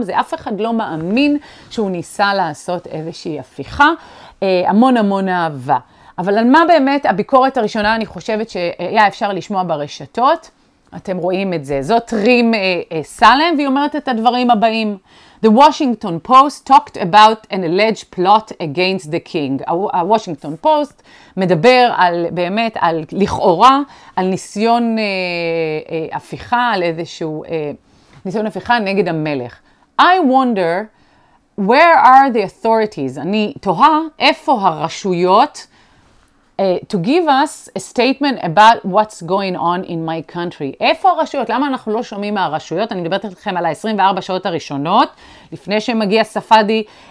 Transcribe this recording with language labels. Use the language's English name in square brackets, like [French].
[Hebrew] זה אף אחד לא מאמין שהוא ניסה לעשות איזושהי הפיכה. המון המון אהבה. אבל על מה באמת הביקורת הראשונה אני חושבת שהיה אפשר לשמוע ברשתות? אתם רואים את זה. זאת רים סלם, והיא אומרת את הדברים הבאים. [English] The Washington Post talked about an alleged plot against the king. [Hebrew] ה-Washington Post מדבר על, באמת, על לכאורה, על ניסיון הפיכה, על איזשהו ניסיון הפיכה נגד המלך. [English] I wonder where are the authorities? [Hebrew] אני תוהה איפה הרשויות [English] to give us a statement about what's going on in my country. [Hebrew] איפה הרשויות? למה אנחנו לא שומעים מהרשויות? אני מדברת אתכם על ה-24 שעות הראשונות, לפני שמגיע ספדי,